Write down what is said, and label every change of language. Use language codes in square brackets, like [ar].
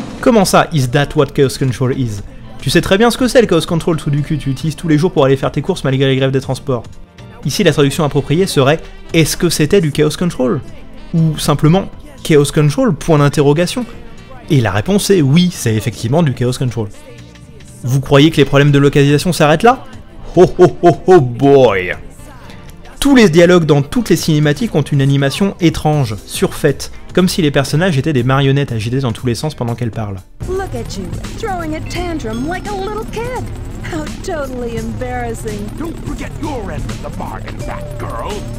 [fr] Comment ça, [en] is that what Chaos Control is? [fr] Tu sais très bien ce que c'est le Chaos Control, sous du cul, tu utilises tous les jours pour aller faire tes courses malgré les grèves des transports. Ici, la traduction appropriée serait « Est-ce que c'était du Chaos Control ?» ou simplement « Chaos Control ?» point d'interrogation. Et la réponse est « Oui, c'est effectivement du Chaos Control. » Vous croyez que les problèmes de localisation s'arrêtent là? [en] Oh oh oh oh boy! [fr] Tous les dialogues dans toutes les cinématiques ont une animation étrange, surfaite, comme si les personnages étaient des marionnettes agitées dans tous les sens pendant qu'elles parlent. [en] Look at you, throwing a tantrum like a little kid. How totally embarrassing. Don't forget your end of the bargain, that girl.